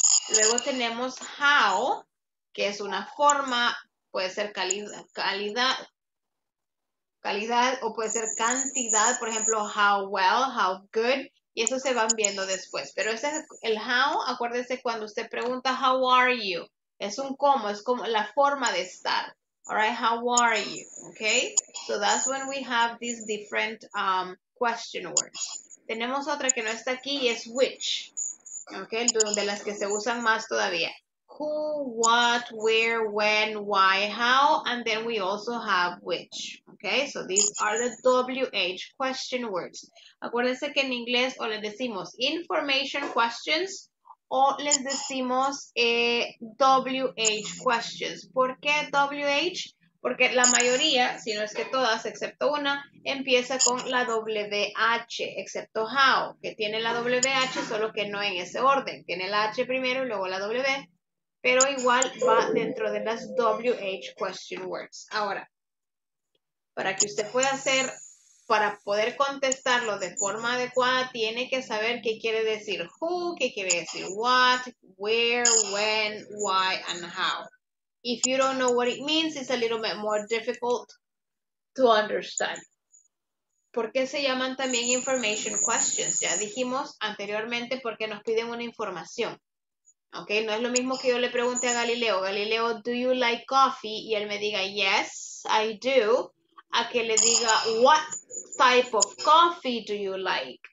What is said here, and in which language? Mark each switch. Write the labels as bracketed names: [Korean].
[Spanish] Luego tenemos how, que es una forma, puede ser calidad o puede ser cantidad. Por ejemplo, [English] how well, how good. [Spanish] Y eso se van viendo después. Pero ese es el how. Acuérdese cuando usted pregunta, [English] how are you? [Spanish] Es un cómo, es como la forma de estar. [English] All right, how are you? Okay, so that's when we have these different question words. [Spanish] Tenemos otra que no está aquí y es which. Okay, de las que se usan más todavía. [English] Who, what, where, when, why, how. And then we also have which. Okay, so these are the WH question words. [Spanish] Acuérdense que en inglés o les decimos information questions o les decimos WH questions. ¿Por qué WH? Porque la mayoría, si no es que todas, excepto una, empieza con la WH, excepto how, que tiene la WH, solo que no en ese orden. Tiene la H primero y luego la W, pero igual va dentro de las WH question words. Ahora, para que usted pueda hacer, para poder contestarlo de forma adecuada, tiene que saber qué quiere decir who, qué quiere decir what, [English] where, when, why, and how. If you don't know what it means, it's a little bit more difficult to understand. [Spanish] ¿Por qué se llaman también information questions? Ya dijimos anteriormente porque nos piden una información. Okay, no es lo mismo que yo le pregunte a Galileo, Galileo, [English] do you like coffee? [Spanish] Y él me diga, [English] yes, I do. [Spanish] A que le diga, [English] what type of coffee do you like?